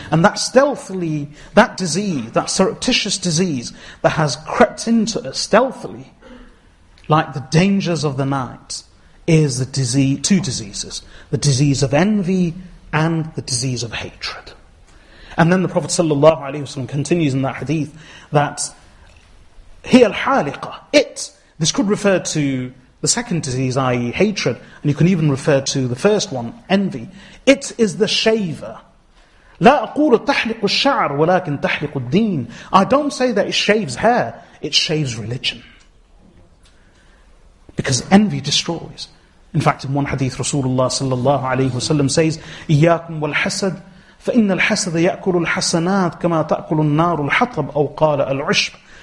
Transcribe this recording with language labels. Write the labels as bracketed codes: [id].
[en] And that stealthily, that disease, that surreptitious disease that has crept into us stealthily, like the dangers of the night, is the disease, two diseases, the disease of envy and the disease of hatred. And then the Prophet sallallahu alaihi wasallam continues in that hadith that [ar] hi al-haliqa, [en] it, this could refer to the second disease, i.e. hatred, and you can even refer to the first one, envy. It is the shaver. [ar] لا أقول تحلق الشعر ولكن تحلق الدين. [en] I don't say that it shaves hair, it shaves religion. Because envy destroys. In fact, in one hadith, Rasulullah sallallahu alayhi wasallam says, [ar] إياكم والحسد فإن الحسد يأكل الحسنات كما تأكل النار الحطب أو قال العشب.